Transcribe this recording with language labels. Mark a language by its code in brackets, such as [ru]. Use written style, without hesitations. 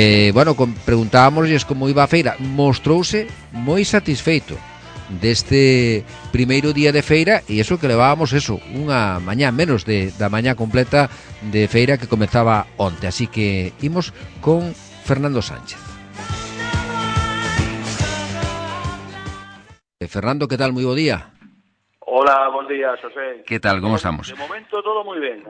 [gl] Bueno, preguntábamos como iba a feira. Mostrouse moi satisfeito deste primeiro día de feira, e iso que levábamos eso, unha mañá, menos da mañá completa de feira que comezaba onte. Así que imos con Fernando Sánchez. Fernando, que tal? Moi bo día. [es] Hola, buen día, José. ¿Qué tal? ¿Cómo estamos? De momento todo muy bien.